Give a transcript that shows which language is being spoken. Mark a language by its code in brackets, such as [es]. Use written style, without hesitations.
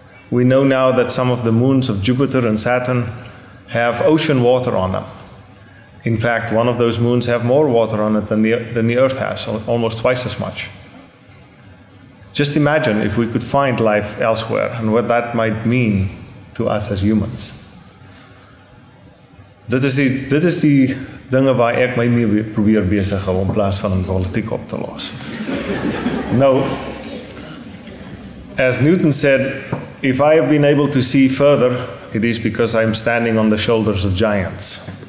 [en] We know now that some of the moons of Jupiter and Saturn have ocean water on them. In fact, one of those moons have more water on it than the Earth has, almost twice as much. Just imagine if we could find life elsewhere and what that might mean to us as humans. [af] Dit is die dinge waar ek my mee probeer besig hou in plaas van om politiek op te los. [en] Nou, as Newton said, if I have been able to see further, it is because I am standing on the shoulders of giants.